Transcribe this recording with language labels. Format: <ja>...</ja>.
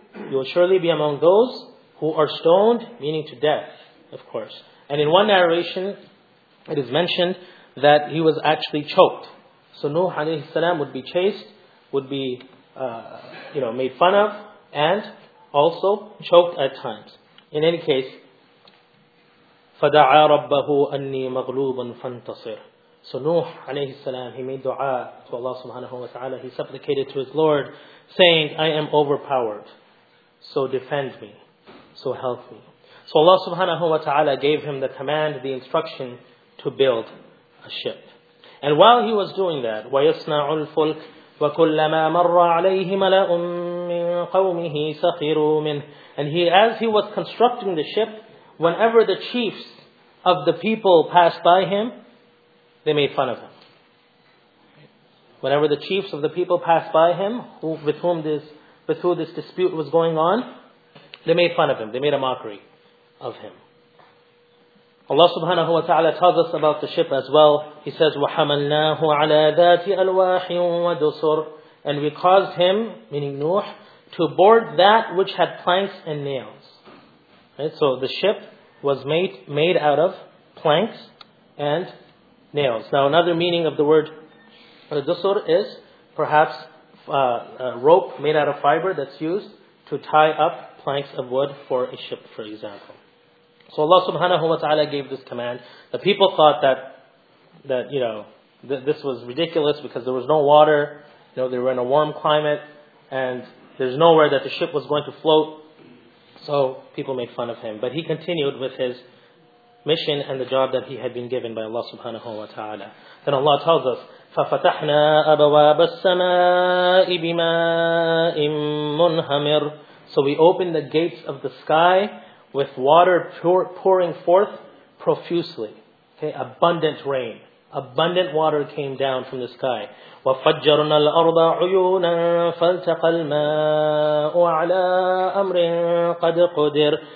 <en>You will surely be among those who are stoned, meaning to death, of course. And in one narration, it is mentioned that he was actually choked. So Nuh alayhi salam would be chased, would be made fun of, and also choked at times. In any case,</en> <ar>فَدَعَى رَبَّهُ أَنِّي مَغْلُوبٌ فَانْتَصِرْ.</ar> <en>So Nuh alayhi salam, he made dua to Allah subhanahu wa ta'ala. He supplicated to his Lord, saying, I am overpowered, so defend me, so help me. So Allah subhanahu wa ta'ala gave him the command, the instruction to build a ship. And while he was doing that,</en> <ar>وَيَصْنَعُ الْفُلْكُ وَكُلَّمَا مَرَّ عَلَيْهِ مَلَأٌ مِّن قَوْمِهِ سَخِرُوا مِنْهِ.</ar> <en>And as he was constructing the ship, whenever the chiefs of the people passed by him, they made fun of him. Whenever the chiefs of the people passed by him, with whom this dispute was going on, They made fun of him. They made a mockery of him. Allah subhanahu wa ta'ala tells us about the ship as well. He says,</en> <ar>وَحَمَلْنَاهُ عَلَىٰ ذَاتِ أَلْوَاحٍ وَدُسُرٍ.</ar> <en>And we caused him, meaning Nuh, to board that which had planks and nails. Right? So the ship was made out of planks and nails. Now another meaning of the word dusur is perhaps a rope made out of fiber that's used to tie up planks of wood for a ship, for example. So Allah subhanahu wa ta'ala gave this command. The people thought that this was ridiculous because there was no water. You know, they were in a warm climate and there's nowhere that the ship was going to float. So people made fun of him. But he continued with his mission and the job that he had been given by Allah subhanahu wa ta'ala. Then Allah tells us,</en> <ar>فَفَتَحْنَا أَبَوَابَ السَّمَاءِ بِمَاءٍ مُنْهَمِرٍ.</ar> <en>So we opened the gates of the sky with water pouring forth profusely. Okay, abundant rain. Abundant water came down from the sky.</en> <ar>وَفَجَّرْنَا الْأَرْضَ عُيُونًا فَالْتَقَى الْمَاءُ عَلَىٰ أَمْرٍ قَدْ قُدِرٍ.</ar>